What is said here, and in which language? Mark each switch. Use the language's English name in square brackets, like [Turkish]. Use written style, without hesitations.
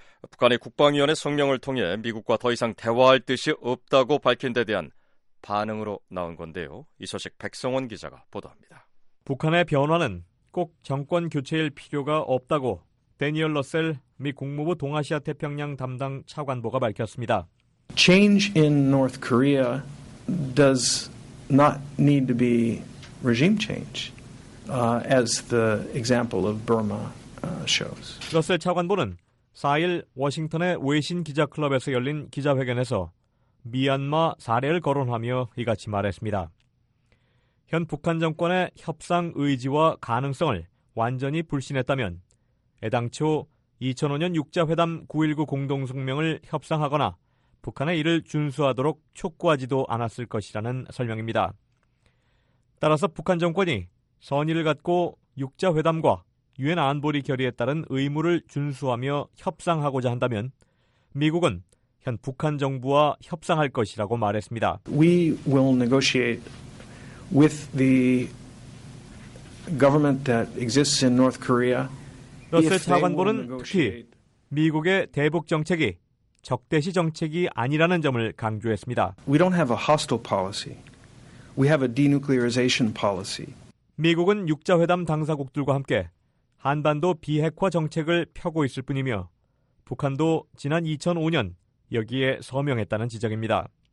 [Korean] 북한의 국방위원회 성명을 통해 미국과 더 이상 대화할 뜻이 없다고 밝힌 데 대한 반응으로 나온 건데요. 이 소식 백성원 기자가 보도합니다. 북한의 변화는 꼭 정권 교체일 필요가 없다고 대니얼 러셀 미 국무부 동아시아 태평양 담당 차관보가 밝혔습니다. [English] Change in North Korea does not need to be regime change as the example of Burma shows. [Korean] 러셀 차관보는 4일 워싱턴의 외신 기자클럽에서 열린 기자회견에서 미얀마 사례를 거론하며 이같이 말했습니다. 현 북한 정권의 협상 의지와 가능성을 완전히 불신했다면 애당초 2005년 6자회담 9.19 공동성명을 협상하거나 북한의 이를 준수하도록 촉구하지도 않았을 것이라는 설명입니다. 따라서 북한 정권이 선의를 갖고 6자회담과 유엔 안보리 결의에 따른 의무를 준수하며 협상하고자 한다면 미국은 현 북한 정부와 협상할 것이라고 말했습니다. [English] We will negotiate with the government that exists in North Korea. [Korean] 러셀 차관보는 특히 미국의 대북 정책이 적대시 정책이 아니라는 점을 강조했습니다. [English] We don't have a hostile policy. We have a denuclearization policy. [Korean] 미국은 6자회담 당사국들과 함께 한반도 비핵화 정책을 펴고 있을 뿐이며 북한도 지난 2005년 여기에 서명했다는 지적입니다.